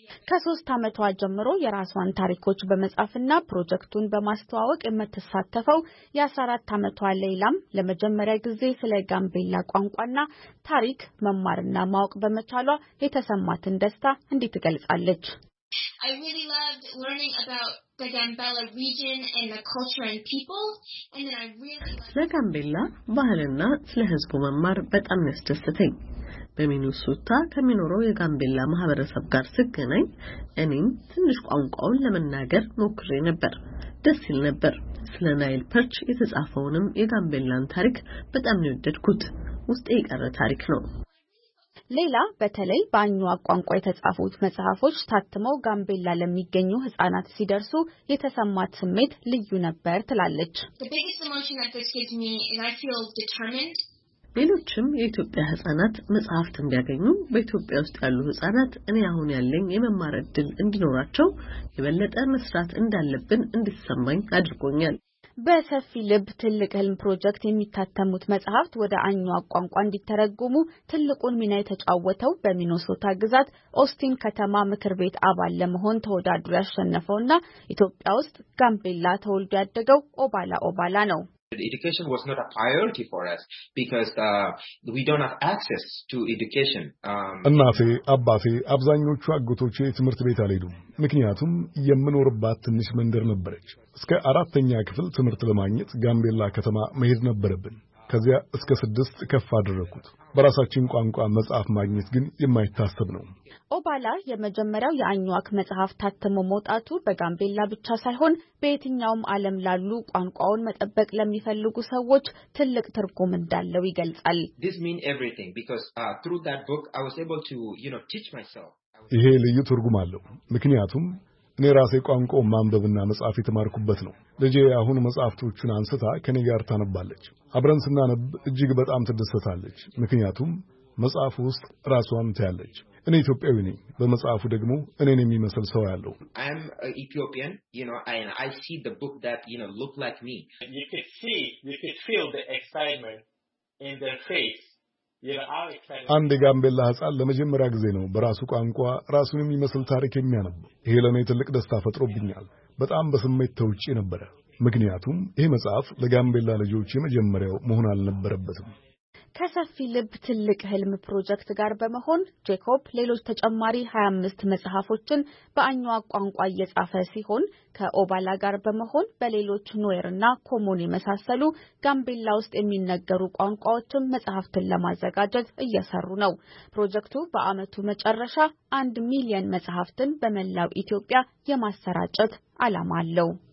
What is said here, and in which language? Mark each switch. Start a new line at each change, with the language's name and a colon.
Amharic: ከሶስት አመቷ ጀምሮ የራሷን ታሪኮች በመጻፍና ፕሮጀክቱን በማስተዋወቅ የምትሳተፈው የ14 አመቷ ሌላም ለመጀመሪያ ጊዜ ስለ ጋምቤላ ቋንቋና ታሪክ መማርና ማወቅ በመቻሏ የተሰማትን ደስታ እንዲትገልጻለች።
English: I really loved learning about the Gambela region and the culture and people, and then I really loved
Amharic: ስለ ጋምቤላ ባህልና ስለ ህዝቡ መማር በጣም ያስደስተኝ። በሚኑሶታ ከሚኖረው የጋምቤላ ማህበረሰብ ጋር ስገናኝ እኔም ትንሽ ቋንቋውን ለመናገር ሞክሬ ነበር። ደስ ይል ነበር። ስለ ናይል ፐርች የተጻፈውንም የጋምቤላን ታሪክ በጣም ነውደድኩት። ውስጤ ቀረ ታሪክ ነው። ሌላ በተለይ ባኙዋ ቋንቋ የተጻፉት መጽሐፎች ታትመው ጋምቤላ ለሚገኙ ህፃናት ሲደርሱ የተሰማት ስሜት ልዩ ነበር ትላለች። ቢሉችም የኢትዮጵያ ህፃናት መጽሐፍት እንዲያገኙ በኢትዮጵያ ውስጥ ያሉ ህፃናት እኔ አሁን ያለኝ የመማር እድል እንዲኖራቸው የበለጠ መስራት እንዳለብን እንድሰማኝ አድርጎኛል። በሰፊ ልብ ትልቅ ህልም ፕሮጀክት የሚታተሙት መጽሐፍት ወደ አኙዋ ቋንቋ እንዲተረጎሙ ትልቁን ሚና የተጫወተው በሚኒሶታ ግዛት ኦስቲን ከተማ ምክር ቤት አባል ለመሆን ተወዳድሮ ያሸነፈውና ኢትዮጵያ ውስጥ ጋምቤላ ተወልዶ ያደገው ኦባላ ኦባላ ነው።
English: Education was not a priority for us because we don't have access to education
Amharic: እናፊ አባፊ አብዛኞቹ አጎቶች ትምህርት ቤት አልሄዱ ምክንያቱም የምኖርባት ትንሽ መንደር ነበረች እስከ አራተኛ ክፍል ትምህርት ለማግኘት ጋምቤላ ከተማ መሄድ ነበረብን ከዚያ እስከ 6 ከፍ አደረኩት በራሳችን ቋንቋ መጽሐፍ ማግኘት ግን የማይታሰብ ነው። ኦባላ የመጀመሪያው የአኙዋክ መጽሐፍ ታተሞ መውጣቱ በጋምቤላ ብቻ ሳይሆን በየትኛውም ዓለም ላሉ ቋንቋውን መጠበቅ ለሚፈልጉ ሰዎች ትልቅ ትርጉም እንዳለው ይገልጻል።
English: This means everything because through that book I was able to, you know, teach myself.
Amharic: ይሄ ልዩ ትርጉም አለው ምክንያቱም እኔ ራሴ ቋንቋውን ማንበብና መጻፍ የተማርኩበት ነው። ልጄ አሁን መጽሐፍቶቹን አንስታ ከኔ ጋር ታነባለች። አብረን ስናነብ እጅግ በጣም ትደሰታለች ምክንያቱም መጽሐፉ ውስጥ ራሷን ታያለች። እኔ ኢትዮጵያዊ ነኝ በመጽሐፉ ደግሞ እኔን የሚመስል ሰው ያለው።
English: I am Ethiopian, you know, and I see the book that, you know, look like me. You could see, you could feel the excitement in their face.
Amharic: አንዴ ጋምቤላ ህፃን ለመጀመሪያ ጊዜ ነው በራሱ ቋንቋ ራሱን የሚመስል ታሪክ የሚያነብ። ይሄ ለኔ ትልቅ ደስታ ፈጥሮብኛል። በጣም በስሜት ተውጪ ነበር ምክንያቱም ይሄ መጽሐፍ ለጋምቤላ ልጆች የመጀመሪያው መሆን አልነበረበትም። ከሰፊ ልብ ትልቅ ህልም ፕሮጀክት ጋር በመሆን ጄኮብ ሌሎች ተጨማሪ 25 መጽሐፎችን በአኙዋ ቋንቋ እየጻፈ ሲሆን ከኦባላ ጋር በመሆን በሌሎች ኖየርና ኮሞኒ መሳሰሉ ጋምቤላ ውስጥ የሚነገሩ ቋንቋዎችን መጽሐፍትን ለማዘጋጀት እየሰሩ ነው። ፕሮጀክቱ በአመቱ መጨረሻ 1 ሚሊዮን መጽሐፍትን በመላው ኢትዮጵያ የማሰራጨት ዓላማ አለው።